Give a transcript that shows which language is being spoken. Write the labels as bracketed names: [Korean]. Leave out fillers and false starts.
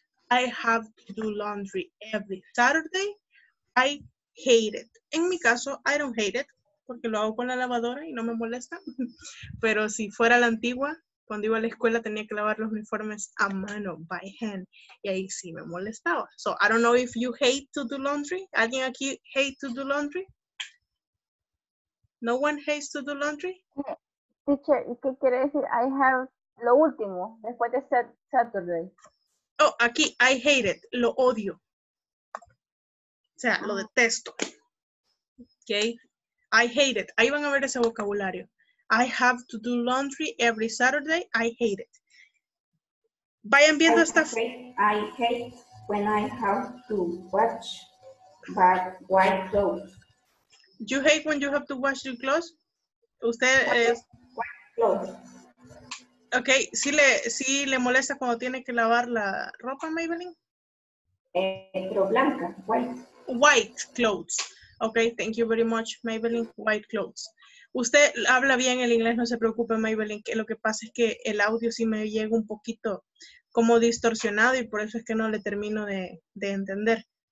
[English] I have to do laundry every Saturday. I hate it. [Spanish] En mi caso, [English] I don't hate it, [Spanish] porque lo hago con la lavadora y no me molesta. Pero si fuera la antigua, cuando iba a la escuela tenía que lavar los uniformes a mano, [English] by hand. [Spanish] Y ahí sí me molestaba. [English] So, I don't know if you hate to do laundry. [Spanish] ¿Alguien aquí [English] hate to do laundry? No one hates to do laundry? [Spanish] Teacher, ¿qué quiere decir? I have lo último, después de Saturday. Oh, aquí, [English] I hate it, [Spanish] lo odio. O sea, lo detesto. Okay. I hate it. Ahí van a ver ese vocabulario. [English] I have to do laundry every Saturday. I hate it. [Spanish] Vayan viendo esta. [English] I hate when I have to wash my white clothes. You hate when you have to wash your clothes? [Spanish] Usted es. [English] White clothes. [Spanish] Ok, ¿sí le molesta cuando tiene que lavar la ropa, Maybelline? Pero blanca, white. [English] White clothes. Ok, thank you very much, Maybelline. White clothes. [Spanish] Usted habla bien el inglés, no se preocupe, Maybelline. Que lo que pasa es que el audio sí me llega un poquito como distorsionado y por eso es que no le termino de entender.